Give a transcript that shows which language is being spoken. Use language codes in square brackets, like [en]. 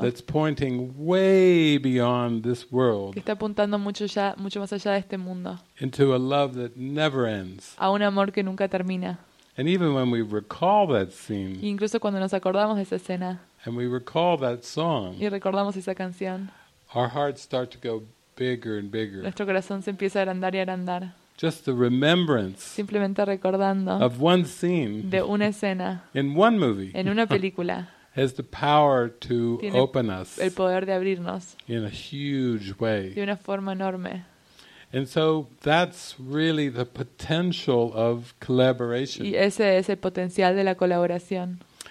[en] That's pointing way beyond this world. [es] Que está apuntando mucho ya mucho más allá de este mundo. [en] Into a love that never ends. [es] A un amor que nunca termina. [en] And even when we recall that scene. [es] Y incluso cuando nos acordamos de esa escena. [en] And we recall that song. [es] Y recordamos esa canción. [en] Our hearts start to go bigger and bigger. [es] Nuestro corazón se empieza a agrandar y agrandar. [en] Just the remembrance. [es] Simplemente recordando. [en] Of one scene. [es] De una escena. [en] In one movie. [es] En una película. [en] Has the power to open us. [es] El poder de abrirnos. [en] In a huge way. [es] De una forma enorme. [en] And so that's really the potential of collaboration. [es] Y ese es el potencial de la colaboración.